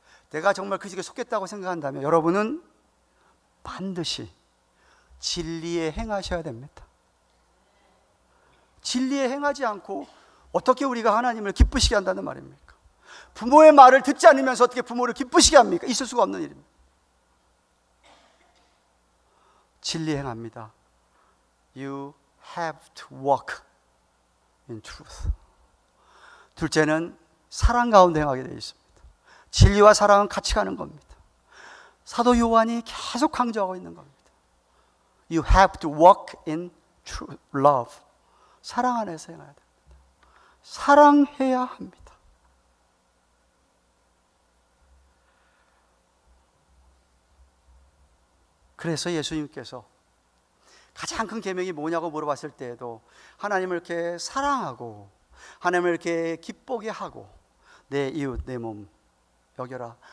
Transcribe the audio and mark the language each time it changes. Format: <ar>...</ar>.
<ko>내가 정말 그 직에 속했다고 생각한다면 여러분은 반드시 진리에 행하셔야 됩니다. 진리에 행하지 않고 어떻게 우리가 하나님을 기쁘시게 한다는 말입니까? 부모의 말을 듣지 않으면서 어떻게 부모를 기쁘시게 합니까? 있을 수가 없는 일입니다. 진리에 행합니다.</ko> <en>You have to walk in truth.</en> <ko>둘째는 사랑 가운데 행하게 되어 있습니다. 진리와 사랑은 같이 가는 겁니다. 사도 요한이 계속 강조하고 있는 겁니다.</ko> <en>You have to walk in true love.</en> <ko>사랑 안에서 행해야 됩니다. 사랑해야 합니다. 그래서 예수님께서 가장 큰 계명이 뭐냐고 물어봤을 때에도 하나님을 이렇게 사랑하고 하나님을 이렇게 기쁘게 하고 내 이웃 내 몸 여겨라.</ko>